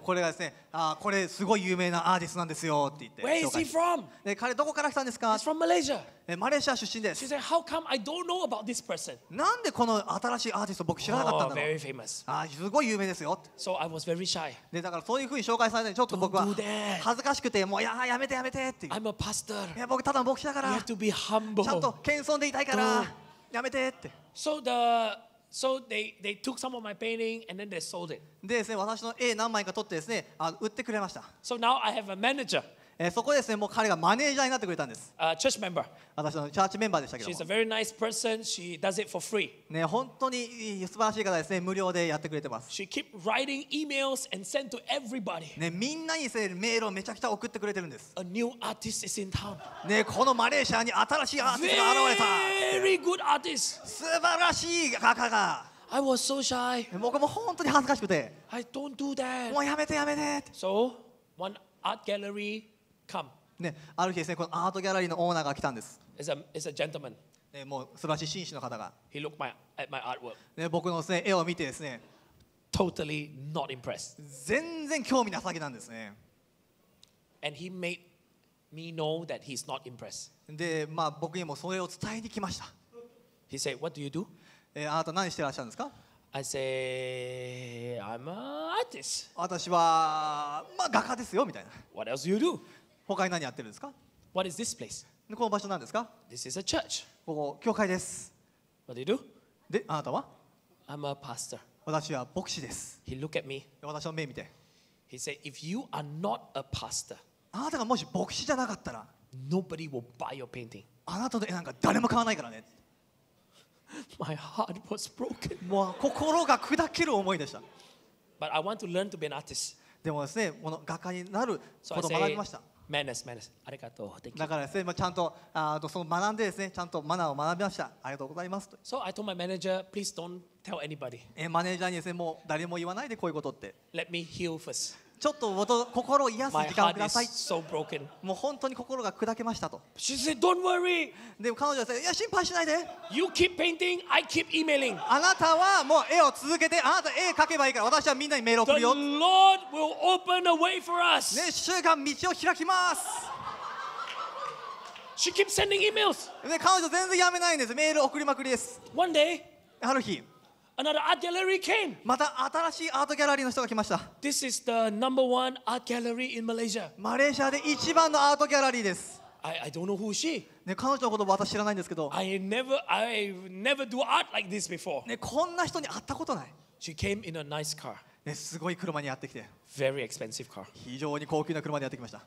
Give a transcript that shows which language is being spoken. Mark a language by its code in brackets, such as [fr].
[ja] これがですね、これすごい有名なアーティストなんですよって言って。 [en] Where is he from? [ja] 彼どこから来たんですか [en] ？He's from Malaysia. [ja] マレーシア出身です。 [en] She said, "How come I don't know about this person?" [ja] なんでこの新しいアーティスト僕知らなかったんだろう。 [en] Oh, very famous. [ja] すごい有名ですよ。 [en] So I was very shy. [ja] で、だからそういうふうに紹介されたのにちょっと僕は恥ずかしくて、もういややめてやめてっていう。 [en] I'm a pastor. [ja] いや、僕ただ牧師だから。 [en] You have to be humble. [ja] ちゃんと謙遜でいたいから。やめてって。 [en] So they took some of my painting and then they sold it. [ja] でですね、私の絵何枚か取ってですね、売ってくれました。 [en] So now I have a manager. [ja] そこですね、もう彼がマネージャーになってくれたんです。 [en] Church member. [ja] 私のチャーチメンバーでしたけども。 [en] She's a very nice person. She does it for free. [ja] ね、本当に素晴らしい方ですね。無料でやってくれてます。 [en] She keep writing emails and send to everybody. [ja] ね、みんなにメールをめちゃくちゃ送ってくれてるんです。 [en] A new artist is in town. [ja] ね、このマレーシアに新しいアーティストが現れた。 [en] Very good artist. [ja] 素晴らしい画家が。 [en] I was so shy. [ja] 僕も本当に恥ずかしくて。 [en] I don't do that. [ja] もうやめてやめて。 [en] So, one art gallery. Come. [ja] ね、ある日ですね、このアートギャラリーのオーナーが来たんです。 [en] It's a gentleman. [ja] ね、もう素晴らしい紳士の方が。 [en] He looked at my artwork. [ja] ね、僕のですね、絵を見てですね。 [en] Totally not impressed. [ja] 全然興味なさげなんですね。 [en] And he made me know that he's not impressed. [ja] で、まあ僕にもそれを伝えに来ました。 [en] He said, "What do you do?" [ja] あなた何してらっしゃるんですか？ [en] I say, "I'm an artist." [ja] 私はまあ画家ですよみたいな。 [en] What else do you do? [ja] 他に何やってるんですか？ [en] What is this place? [ja] この場所なんですか？ [en] This is a church. [ja] ここ教会です。 [en] What do you do? [ja] で、あなたは？ [en] I'm a pastor. [ja] 私は牧師です。 [en] He looked at me. [ja] 私の目見て。 [en] He said, "If you are not a pastor, [ja] あなたがもし牧師じゃなかったら、 [en] nobody will buy your painting." [ja] あなたの絵なんか誰も買わないからね。 [en] My heart was broken. [ja] もう心が砕ける思いでした。 [en] But I want to learn to be an artist. [ja] でもですね、この画家になることを学びました。 [en] Madness. [ja] ありがとう。だからですね、ちゃんと、その学んでですね、ちゃんとマナーを学びました。ありがとうございますと。 [en] So I told my manager, please don't tell anybody. [ja] マネージャーにですね、もう誰も言わないでこういうことって。 [en] Let me heal first. [ja] ちょっと心を癒す時間をください。 [en] My heart is so broken. [ja] もう本当に心が砕けましたと。 [en] She said, don't worry. [ja] でも彼女はですね、いや心配しないで。 [en] You keep painting, I keep emailing. [ja] あなたはもう絵を続けて、あなた絵描けばいいから、私はみんなにメール送るよ。 [en] The Lord will open a way for us. [ja] ね、主が道を開きます。 [en] She keep sending emails. [ja] で彼女全然やめないんです。メール送りまくりです。 [en] One day. [ja] ある日。 [en] Another art gallery came. [ja] また新しいアートギャラリーの人が来ました。 [en] This is the number one art gallery in Malaysia. [ja] マレーシアで一番のアートギャラリーです。 [en] I don't know who she. [ja] ね、彼女のこと私知らないんですけど。 [en] I never do art like this before. [ja] ね、こんな人に会ったことない。 [en] She came in a nice car. [ja] ね、すごい車にやってきて。 [en] Very expensive car. [ja] 非常に高級な車でやってきました。